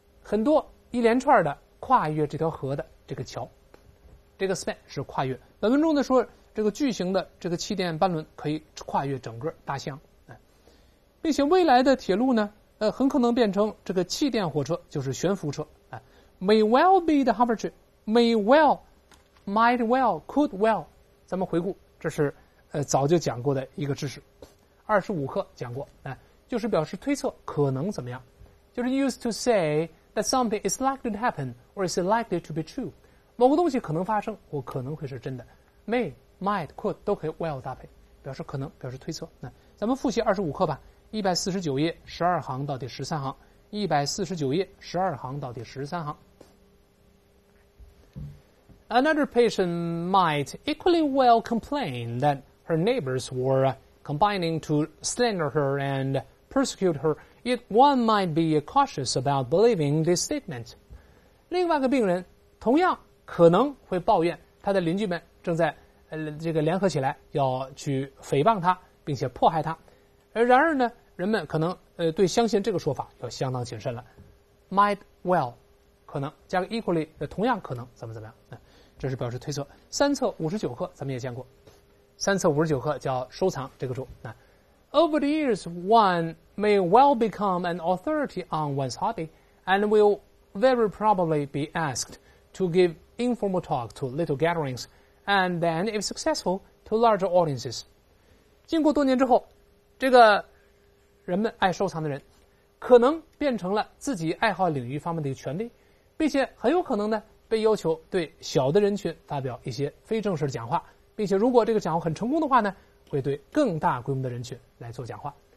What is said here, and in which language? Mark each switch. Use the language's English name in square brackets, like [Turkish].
[Chinese] 很多一连串的跨越这条河的这个桥，这个 span 是跨越。本文中的说，这个巨型的这个气垫班轮可以跨越整个大西洋，并且未来的铁路呢，很可能变成这个气垫火车，就是悬浮车。 [English] May well be the hovertrain, may well, might well, could well。 [Chinese] 咱们回顾，这是早就讲过的一个知识，25课讲过，就是表示推测可能怎么样，就是 [English] used to say that something is likely to happen or is likely to be true。 [Chinese] 某个东西可能发生或可能会是真的 ，may, might, could 都可以 well 搭配，表示可能，表示推测。那咱们复习25课吧，149页12行到第13行，149页12行到第13行。 [English] Another patient might equally well complain that her neighbors were combining to slander her and persecute her, yet one might be cautious about believing this statement. [Chinese] 另外一个病人同样可能会抱怨他的邻居们正在这个联合起来要去诽谤他并且迫害他。然而呢，人们可能对相信这个说法要相当谨慎了。 [English] Might well, [Chinese] 可能加个 equally, 同样可能怎么怎么样。这是表示推测。 3册59课咱们也见过。3册59课叫收藏这个书。 [English] Over the years, one may well become an authority on one's hobby and will very probably be asked to give informal talk to little gatherings and then, if successful, to larger audiences. [Chinese] 经过多年之后，这个人们爱收藏的人可能变成了自己爱好领域方面的一个权利，并且很有可能呢被要求对小的人群发表一些非正式的讲话，并且如果这个讲话很成功的话呢，会对更大规模的人群来做讲话。